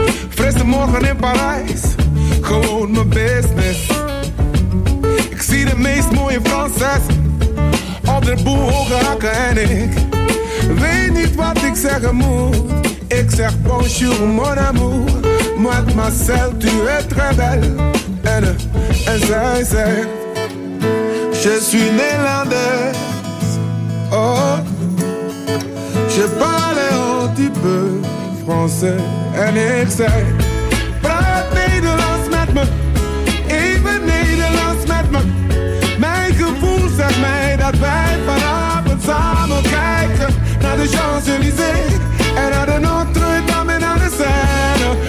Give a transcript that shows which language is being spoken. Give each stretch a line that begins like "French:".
Dutch: Frisse morgen in Parijs. Gewoon mijn business. Ik zie de meest mooie Franses. Op de boel hoge hakken en ik. Weet niet wat ik zeggen moet. Ik zeg
French: bonjour mon amour. Moi Marcel, tu es très belle.
Dutch: En zij zegt.
French: Je suis Nederlandse. Oh. Je parle un petit peu français.
Dutch: En ik zeg. Praat Nederlands met me. Even Nederlands met me. Mijn gevoel zegt mij dat wij vanavond samen kijken. Naar de Champs-Élysées en naar de Notre-Dame en naar de Seine.